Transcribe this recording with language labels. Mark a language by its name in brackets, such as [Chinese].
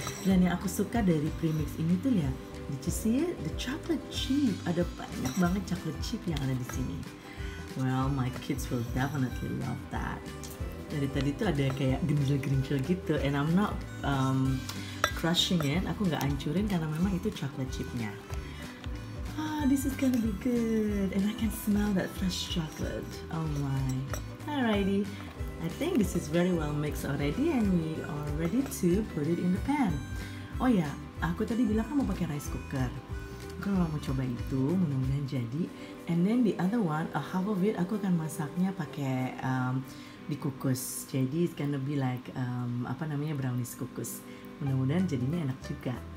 [Indonesian] Dan yang aku suka dari premix ini tuh ya, [English] did you see it? The chocolate chip. [Indonesian] Ada banyak banget chocolate chip yang ada di sini. [English] Well, my kids will definitely love that. [Indonesian] Dari tadi tuh ada kayak gerinjel-gerinjel gitu, [English] and I'm not crushing it. [Indonesian] Aku nggak hancurin karena memang itu chocolate chipnya. [English] This is gonna be good, and I can smell that fresh chocolate. Oh my. Alrighty, I think this is very well mixed already, and we are ready to put it in the pan. [Indonesian] Oh ya, aku tadi bilang kan mau pakai rice cooker. Aku memang mau coba itu, mudah-mudahan jadi. [English] And then the other one, a half of it, [Indonesian] aku akan masaknya pakai dikukus. [English] Jadi it's gonna be like brownies kukus. [Indonesian] Mudah-mudahan jadinya enak juga.